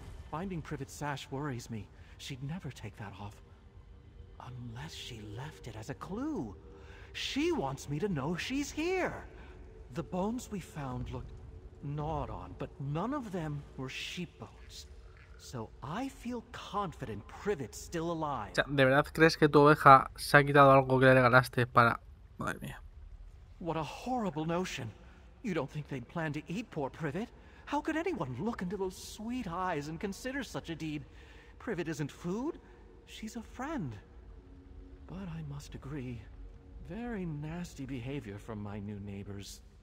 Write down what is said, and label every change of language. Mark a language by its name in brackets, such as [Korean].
[English] Finding Privet Sash worries me. She'd never take that off. Unless she left it as a clue. She wants me to know she's here. The bones we found looked gnawed on, but none of them were sheep bones. So I feel confident Privet's still alive. [Spanish] O sea, ¿de verdad crees que tu oveja se ha quitado algo que le regalaste para... Madre mía. [English] What a horrible notion. You don't think they'd plan to eat poor Privet? How could anyone look into those sweet eyes and consider such a deed? Privet isn't food, she's a friend. But I must agree, very nasty behavior from my new neighbors.